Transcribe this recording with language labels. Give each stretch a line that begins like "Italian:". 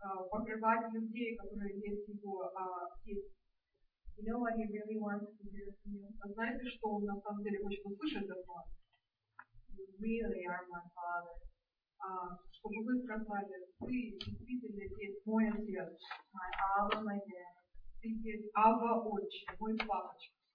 Russian: Покрывать людей, которые есть его есть.
English: You know what he really wants to hear from you?
Russian: А знаете, что он на самом деле хочет услышать от вас?
English: You really are my father.
Russian: Чтобы вы сказали, ты действительно есть мой отец.
English: My Abba, my dad.
Russian: Ты есть Абба, отче, мой папочка.